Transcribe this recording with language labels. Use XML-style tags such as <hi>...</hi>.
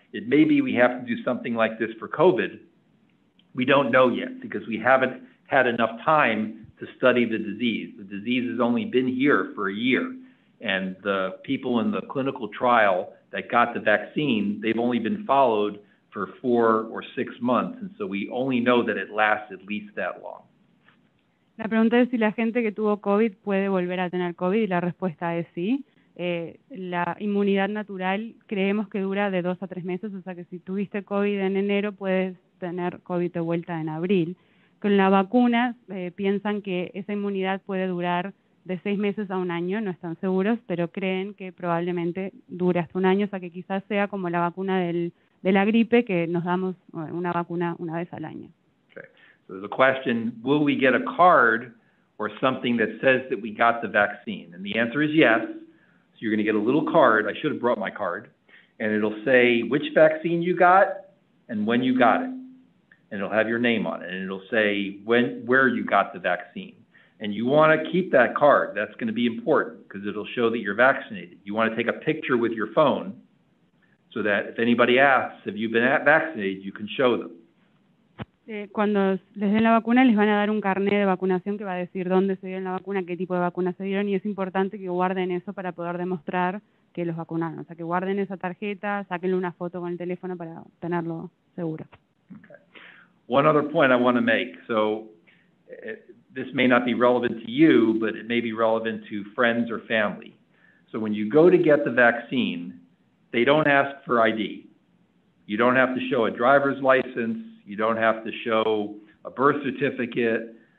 <en>It may be we have to do something like this for COVID. We don't know yet because we haven't had enough time to study the disease. The disease has only been here for a year. And the people in the clinical trial that got the vaccine, they've only been followed for 4 or 6 months. And so we only know that it lasts at least that long.</en> <es>La pregunta es si la gente que tuvo COVID puede volver a tener COVID. Y la respuesta es sí. La inmunidad natural creemos que dura de 2 a 3 meses. O sea que si tuviste COVID en enero, puedes tener COVID de vuelta en abril. Con la vacuna, piensan que esa inmunidad puede durar de 6 meses a un año, no están seguros, pero creen que probablemente dure hasta un año, o sea que quizás sea como la vacuna de la gripe, que nos damos una vacuna una vez al año.</es> <en>Okay. So the question, will we get a card or something that says that we got the vaccine? And the answer is yes. So you're going to get a little card, I should have brought my card, and it'll say which vaccine you got and when you got it. And it'll have your name on it, and it'll say when, where you got the vaccine. And you want to keep that card. That's going to be important because it'll show that you're vaccinated. You want to take a picture with your phone so that if anybody asks, have you been vaccinated, you can show them.</en> <es>Cuando les den la vacuna, les van a dar un carnet de vacunación que va a decir dónde se dieron la vacuna, qué tipo de vacuna se dieron, y es importante que guarden eso para poder demostrar que los vacunaron. O sea, que guarden esa tarjeta, sáquenle una foto con el teléfono para tenerlo seguro.</es> <en>Okay. One other point I want to make, so this may not be relevant to you, but it may be relevant to friends or family. So when you go to get the vaccine, they don't ask for ID. You don't have to show a driver's license. You don't have to show a birth certificate.</en>